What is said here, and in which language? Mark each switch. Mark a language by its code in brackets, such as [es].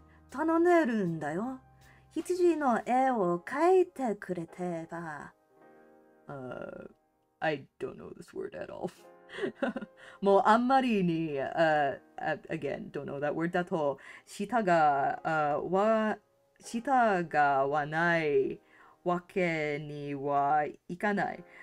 [ja] 頼んでるんだよ羊の絵を描いてくれてば、 [en] I don't know this word at all [ja] もうあんまりに、 [en] again, don't know that word [ja] だと、従わないわけにはいかない。